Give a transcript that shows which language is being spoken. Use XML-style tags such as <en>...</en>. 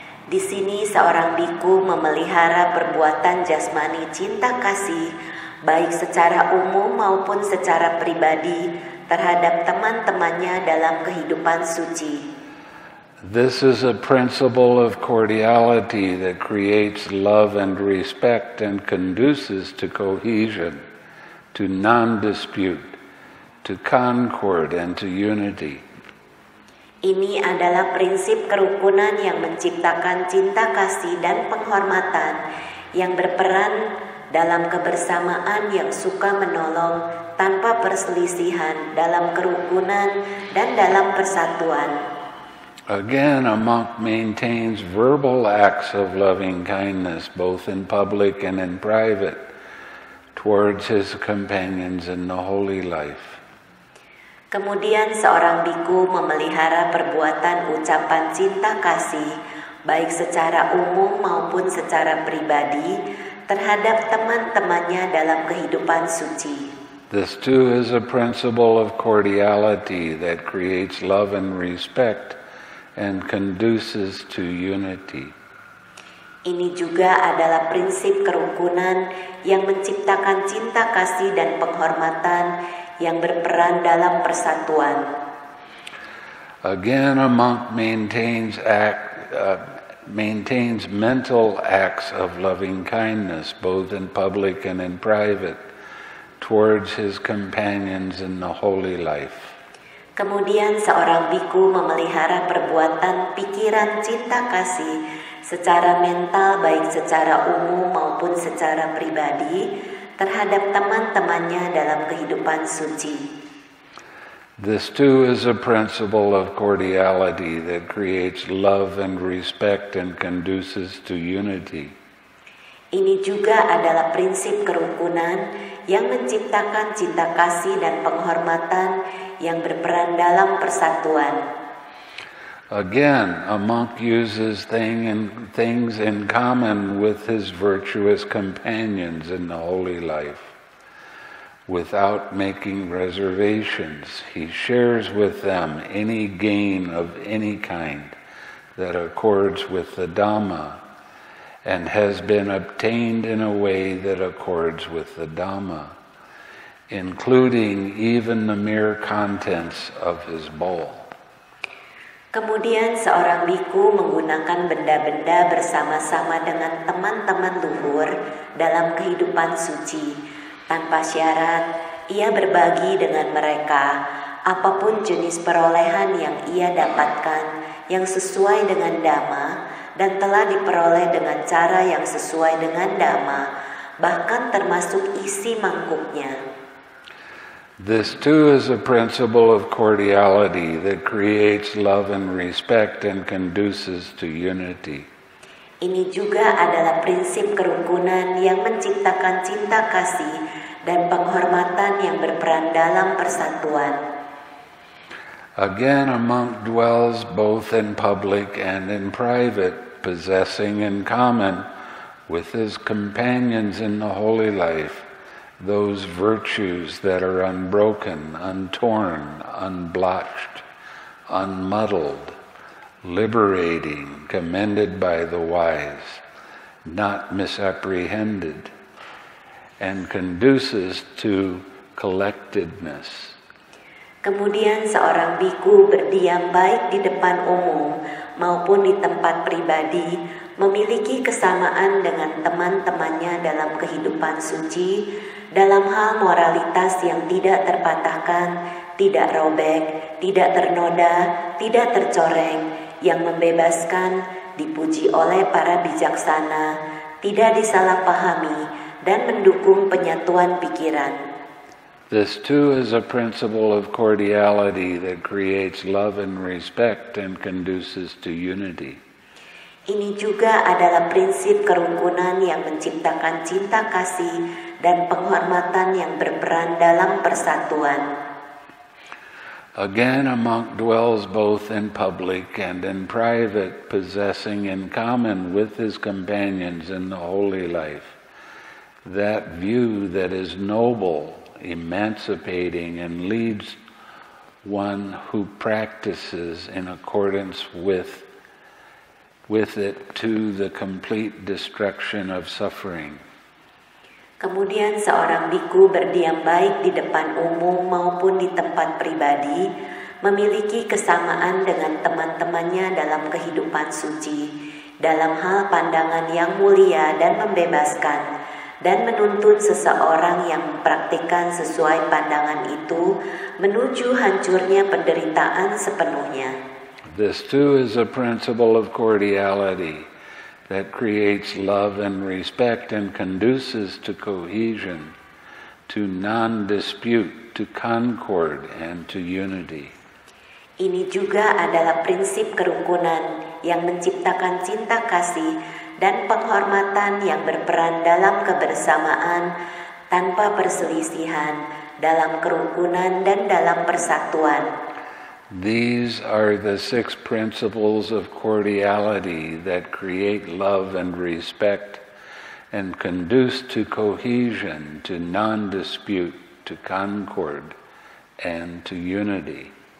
<id>Di sini seorang bhikkhu memelihara perbuatan jasmani cinta kasih, baik secara umum maupun secara pribadi, terhadap teman-temannya dalam kehidupan suci.</id> <en>This is a principle of cordiality that creates love and respect and conduces to cohesion, to non-dispute, to concord and to unity.</en> <id>Ini adalah prinsip kerukunan yang menciptakan cinta kasih dan penghormatan yang berperan dalam kebersamaan yang suka menolong tanpa perselisihan, dalam kerukunan dan dalam persatuan.</id> <en>Again, a monk maintains verbal acts of loving kindness, both in public and in private, towards his companions in the holy life.</en> <id>Kemudian seorang bhikkhu memelihara perbuatan ucapan cinta kasih, baik secara umum maupun secara pribadi, terhadap teman-temannya dalam kehidupan suci.</id> <en>This too is a principle of cordiality that creates love and respect and conduces to unity.</en> <id>Ini juga adalah prinsip kerukunan yang menciptakan cinta kasih dan penghormatan yang berperan dalam persatuan.</id> <en>Again, a monk maintains mental acts of loving kindness, both in public and in private, towards his companions in the holy life.</en> <id>Kemudian seorang bhikkhu memelihara perbuatan pikiran cinta kasih secara mental baik secara umum maupun secara pribadi terhadap teman-temannya dalam kehidupan suci.</id> <en>This too is a principle of cordiality that creates love and respect and conduces to unity.</en> <id>Ini juga adalah prinsip kerukunan yang menciptakan cinta kasih dan penghormatan yang berperan dalam persatuan.</id> <en>Again, a monk uses things in common with his virtuous companions in the holy life. Without making reservations, he shares with them any gain of any kind that accords with the Dhamma and has been obtained in a way that accords with the Dhamma, including even the mere contents of his bowl.</en> <id>Kemudian seorang bhikkhu menggunakan benda-benda bersama-sama dengan teman-teman luhur dalam kehidupan suci. Tanpa syarat, ia berbagi dengan mereka apapun jenis perolehan yang ia dapatkan yang sesuai dengan Dhamma dan telah diperoleh dengan cara yang sesuai dengan Dhamma, bahkan termasuk isi mangkuknya.</id> <en>This too is a principle of cordiality that creates love and respect and conduces to unity.</en> <id>Ini juga adalah prinsip kerukunan yang menciptakan cinta kasih dan penghormatan yang berperan dalam persatuan.</id> <en>Again, a monk dwells both in public and in private, possessing in common with his companions in the holy life those virtues that are unbroken, untorn, unblotched, unmuddled, liberating, commended by the wise, not misapprehended, and conduces to collectedness.</en> <id>Kemudian seorang bhikkhu berdiam baik di depan umum maupun di tempat pribadi, memiliki kesamaan dengan teman-temannya dalam kehidupan suci, dalam hal moralitas yang tidak terpatahkan, tidak robek, tidak ternoda, tidak tercoreng, yang membebaskan, dipuji oleh para bijaksana, tidak disalahpahami, dan mendukung penyatuan pikiran.</id> <en>This too is a principle of cordiality that creates love and respect and conduces to unity.</en> <id>Ini juga adalah prinsip kerukunan yang menciptakan cinta kasih dan penghormatan yang berperan dalam persatuan.</id> <en>Again, a monk dwells both in public and in private, possessing in common with his companions in the holy life that view that is noble, emancipating, and leads one who practices in accordance with it to the complete destruction of suffering.</en> <id>Kemudian seorang bhikkhu berdiam baik di depan umum maupun di tempat pribadi, memiliki kesamaan dengan teman-temannya dalam kehidupan suci, dalam hal pandangan yang mulia dan membebaskan, dan menuntun seseorang yang mempraktikkan sesuai pandangan itu menuju hancurnya penderitaan sepenuhnya.</id> <en>This too is a principle of cordiality that creates love and respect and conduces to cohesion, to non-dispute, to concord, and to unity.</en> <id>Ini juga adalah prinsip kerukunan yang menciptakan cinta kasih dan penghormatan yang berperan dalam kebersamaan tanpa perselisihan, dalam kerukunan dan dalam persatuan.</id> <en>These are the six principles of cordiality that create love and respect and conduce to cohesion, to non-dispute, to concord, and to unity.</en>